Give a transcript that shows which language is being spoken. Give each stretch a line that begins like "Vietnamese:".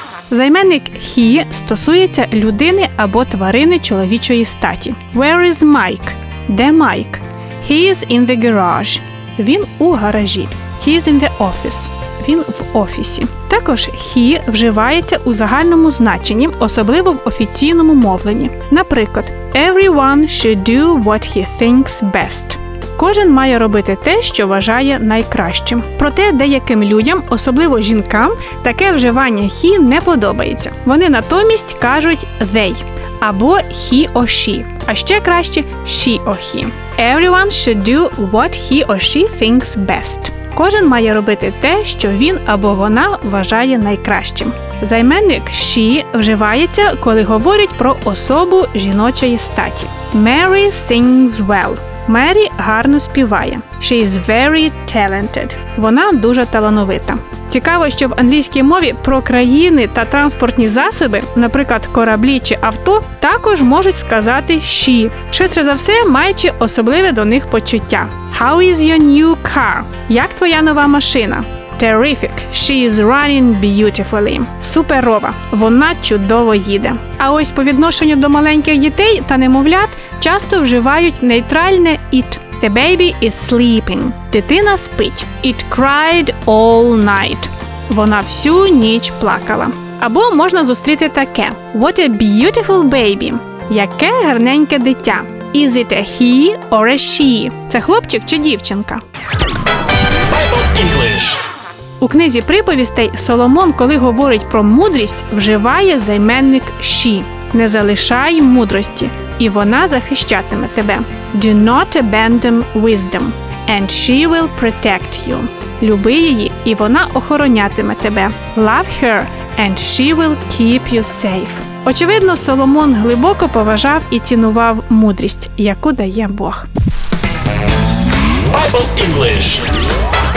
Ukrainian: Займенник he стосується людини або тварини чоловічої статі.
English: Where is Mike?
Ukrainian: Де
English: Mike? He is in the garage.
Ukrainian: Він у гаражі.
English: He is in the office.
Ukrainian: Він в офісі. Також he вживається у загальному значенні, особливо в офіційному мовленні. Наприклад,
English: everyone should do what he thinks best.
Ukrainian: Кожен має робити те, що вважає найкращим. Проте деяким людям, особливо жінкам, таке вживання he не подобається. Вони натомість кажуть they або
English: he or she,
Ukrainian: а ще краще
English: she or he. Everyone should do what he or she thinks best.
Ukrainian: Кожен має робити те, що він або вона вважає найкращим. Займенник she вживається, коли говорять про особу жіночої статі.
English: Mary sings well.
Ukrainian: Мері гарно співає.
English: She is very talented.
Ukrainian: Вона дуже талановита. Цікаво, що в англійській мові про країни та транспортні засоби, наприклад, кораблі чи авто, також можуть сказати she. Швидше за все, маючи особливе до них почуття.
English: How is your new car?
Ukrainian: Як твоя нова машина?
English: Terrific. She is running beautifully.
Ukrainian: Суперова. Вона чудово їде. А ось по відношенню до маленьких дітей та немовлят часто вживають нейтральне it.
English: The baby is sleeping.
Ukrainian: Дитина спить.
English: It cried all night.
Ukrainian: Вона всю ніч плакала. Або можна зустріти таке.
English: What a beautiful baby.
Ukrainian: Яке гарненьке дитя.
English: Is it a he or a she?
Ukrainian: Це хлопчик чи дівчинка?
English: Bible English.
Ukrainian: У книзі приповістей Соломон, коли говорить про мудрість, вживає займенник she. Не залишай мудрості, і вона захищатиме тебе.
English: Do not abandon wisdom, and she will protect you.
Ukrainian: Люби її, і вона охоронятиме тебе.
English: Love her, and she will keep you safe.
Ukrainian: Очевидно, Соломон глибоко поважав і цінував мудрість, яку дає Бог.
English: Bible English.